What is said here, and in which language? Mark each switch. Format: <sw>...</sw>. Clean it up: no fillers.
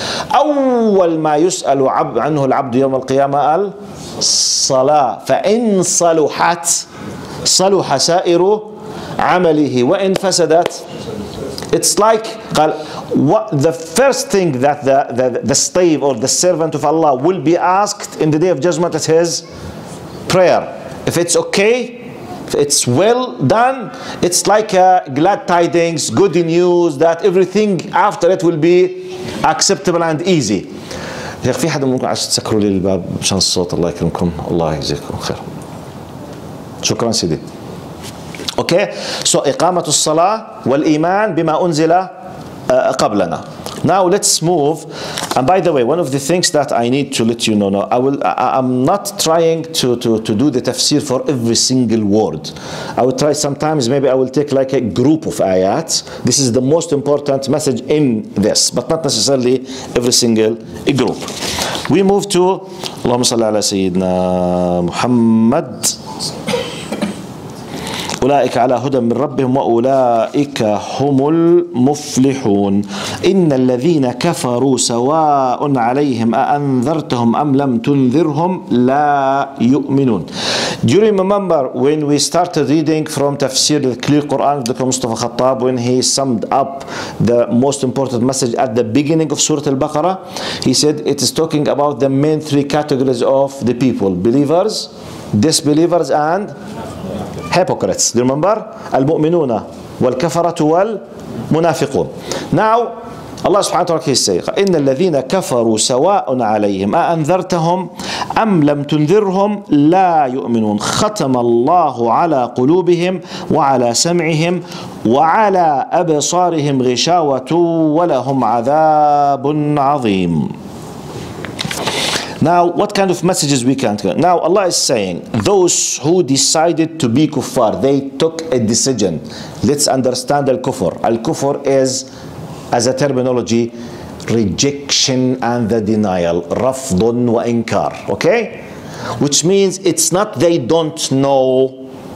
<ar>أول ما يسأل عنه العبد يوم القيامة قال صلاة فإن صلحت صلح سائر عمله وإن فسدت.</ar> <en>It's like قال, what the first thing that the slave or the servant of Allah will be asked in the day of judgment is his prayer. If it's okay, if it's well done, it's like a glad tidings, good news that everything after it will be acceptable and easy.</en> <ar>شيخ في حدا ممكن عشان تسكروا لي الباب مشان الصوت الله يكرمكم الله يجزيكم خير شكرا سيدي.</ar> <en>okay so</en> <ar>إقامة الصلاة والإيمان بما أنزل قبلنا.</ar> <en>Now let's move. And by the way, one of the things that I need to let you know now, I'm not trying to do the tafsir for every single word. I will try sometimes, maybe I will take like a group of ayat. This is the most important message in this, but not necessarily every single group. We move to</en> <ar>اللهم صل على سيدنا محمد. أولئك على هدى من ربهم وأولئك هم المفلحون. إن الذين كفروا سواء عليهم أأنذرتهم أم لم تنذرهم لا يؤمنون.</ar> <en>Do you remember when we started reading from Tafsir al-Clear Quran of Dr. Mustafa Khattab, when he summed up the most important message at the beginning of Surah Al-Baqarah? He said it is talking about the main three categories of the people: believers, disbelievers, and hypocrites. Do you remember?</en> <ar>المؤمنون والكفرة والمنافقون.</ar> <en>Now, Allah subhanahu wa ta'ala is saying,</en> <ar>إن الذين كفروا سواء عليهم أأنذرتهم أم لم تنذرهم لا يؤمنون. ختم الله على قلوبهم وعلى سمعهم وعلى أبصارهم غشاوة ولهم عذاب عظيم.</ar> <en>Now, what kind of messages we can't get? Now, Allah is saying, those who decided to be kuffar, they took a decision. Let's understand al-kufr. Al-kufr is, as a terminology, rejection and the denial. Rafdun wa inkar. Okay? Which means it's not they don't know.</en>